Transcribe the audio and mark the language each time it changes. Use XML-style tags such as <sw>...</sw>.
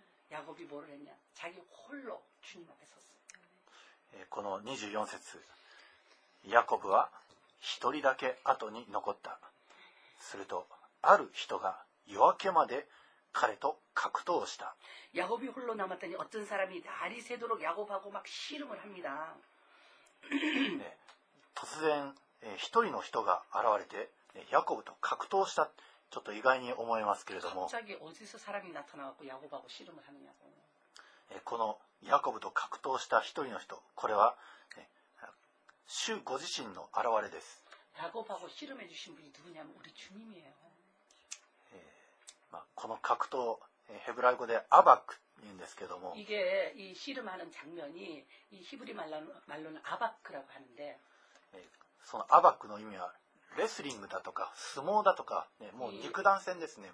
<ko>그때야곱이뭐를했냐자기홀로주님앞에섰어</ko> <ja>この24節야곱は一人だけ後に残ったするとある人が夜明けまで彼と格闘した。</ja> <ko>야곱이 홀로 남았더니 어떤 사람이 날이 새도록 야곱하고 막 씨름을 합니다.</ko> <ja>네, 突然 一人の人が現れて 야곱と 格闘した。ちょっと意外に思いますけれども。</ja> <ko>갑자기 어디서 사람이 나타나고 야곱하고 씨름을 하느냐고。</ko> <ja>この 야곱と 格闘した一人の人、 これは 主ご自身の現れです。</ja> <ko>야곱하고 씨름해주신 분이 누구냐면 우리 주님이에요。</ko> <ja>まあ、この格闘ヘブライ語でアバクって言うんですけども、</ja> <ko>이게이씨름하는장면이이히브리말로말로는아바크라고하는데</ko> <ja>そのアバクの意味はレスリングだとか相撲だとか、ね、もう肉弾戦ですね。</ja>